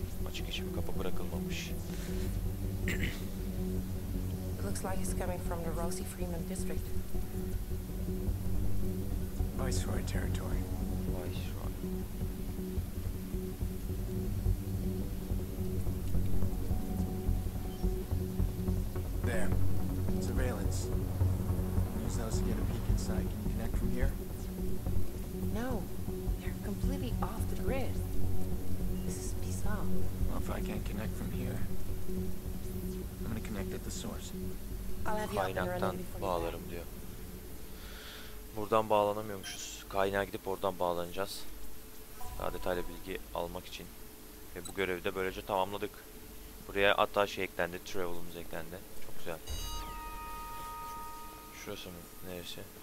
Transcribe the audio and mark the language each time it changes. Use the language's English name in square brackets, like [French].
[Turkish] Açık hiçbir kapı bırakılmamış. [English] It looks like he's coming from the Rossi Freeman district. Viceroy territory. Viceroy. There. Surveillance. Use those to get a peek inside. Can you connect from here? No. They're completely off the grid. This is bizarre. Well, if I can't connect from here, I'm gonna connect at the source. I'll have you up and running before you die. [Turkish] Buradan bağlanamıyormuşuz. Kaynağa gidip oradan bağlanacağız. Daha detaylı bilgi almak için. Ve bu görevi de böylece tamamladık. Buraya hatta şey eklendi. Travel'ımız eklendi. Çok güzel. Şurası mı? Neresi?